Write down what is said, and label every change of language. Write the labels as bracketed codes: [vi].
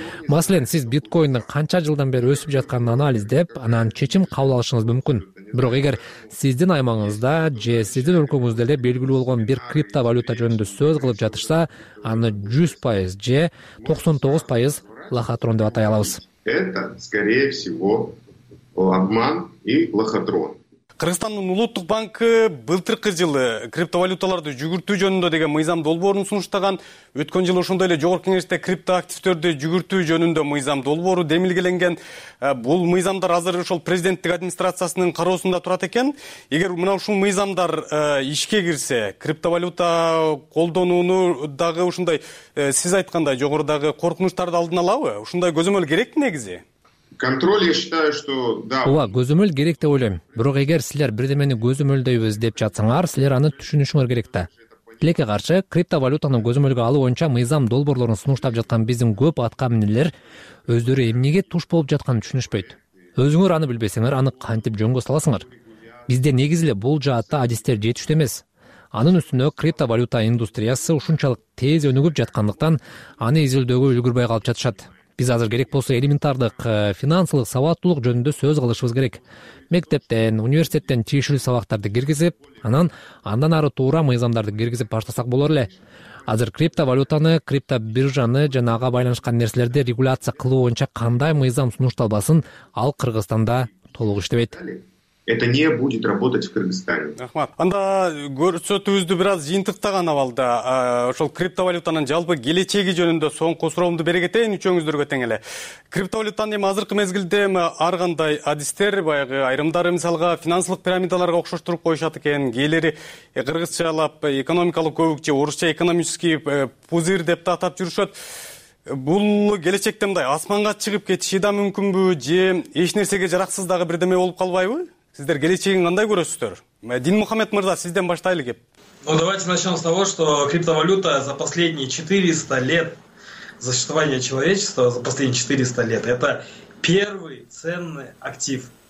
[ky] Маселен, сиз биткоиндин канча жылдан бери өсүп жатканын анализдеп, анан чечим кабыл алышыңыз мүмкүн. Бирок эгер сиздин аймагыңызда же сиздин өлкөңүздө эле белгилүү болгон бир криптовалюта жөнүндө сөз кылып жатышса, аны 100% же 99% лохотрон деп атай алабыз. [ru] Это, скорее всего, обман и лохотрон. [ky] Кыргызстандын улуттук банкы былтыркы жылы криптовалюталарды жүгүртүү жөнүндө деген мыйзам долбоорун сунуштаган. Өткөн жылы ошондой эле жогорку кеңеште криптоактивдерди жүгүртүү жөнүндө мыйзам долбоору демилгеленген. Бул мыйзамдар азыр ошол президенттик администрациясынын кароосунда турат экен. Эгер мына ушул мыйзамдар ишке кирсе, криптовалюта колдонууну дагы ушундай сиз айткандай жогорудагы коркунучтарды алдын алабы? Ушундай көзөмөл керек негизи? [ru] Контроль, я считаю, что да. [ky] Ооба, көзөмөл керек деп ойлойм. Бирок эгер силер бирдемени көзөмөлдөйбүз деп жатсаңар, силер аны түшүнүшүңөр керек да. Тилекке каршы, криптовалютаны көзөмөлгө алуу боюнча мыйзам долбоорлорун сунуштап жаткан биздин көп атка минерлер өздөрү эмнеге туш болуп жатканын түшүнүшпөйт. Өзүңөр аны билбесеңер, аны кантип жөнгө саласыңар? Бизде негизи эле бул жаатта адистер жетиштүү эмес. Анын үстүнө криптовалюта индустриясы ушунчалык тез өнүгүп жаткандыктан аны изилдөөгө үлгүрбөй калып жатышат. Биз азыр керек болсо элементардык финансылык сабаттуулук жөнүндө сөз кылышыбыз керек. Мектептен, университеттен тиешелүү сабактарды киргизип, андан ары туура мыйзамдарды киргизип баштасак болор эле. Азыр криптовалютаны, криптобиржаны жана ага байланышкан нерселерди регуляция кылуу боюнча кандай мыйзам сунушталбасын, ал Кыргызстанда толук иштебейт. [ru] Это не будет работать в Кыргызстане. [ky] Рахмат. Анда көрсөтүүбүздү бир аз жыйынтыктаган абалда ошол криптовалютанын жалпы келечеги жөнүндө соңку суроомду бере кетейин үчөөңүздөргө тең эле. Криптовалютаны эми азыркы мезгилде ар кандай адистер, баягы айрымдары мисалга финансылык пирамидаларга окшоштуруп коюшат экен, кээлери кыргызчалап экономикалык көбүк же орусча [ru] экономический пузырь [ky] деп да атап жүрүшөт. Бул келечекте мындай асманга чыгып кетиши да мүмкүнбү же эч нерсеге жараксыз дагы бирдеме болуп калбайбы? Сиздер келечегин кандай көрөсүздөр? Динмухаммед мырза, сизден баштайлы кеп. [ru] Ну давайте начнем с того, что криптовалюта за последние 400 лет за существование человечества за последние 400 лет это первый ценный актив.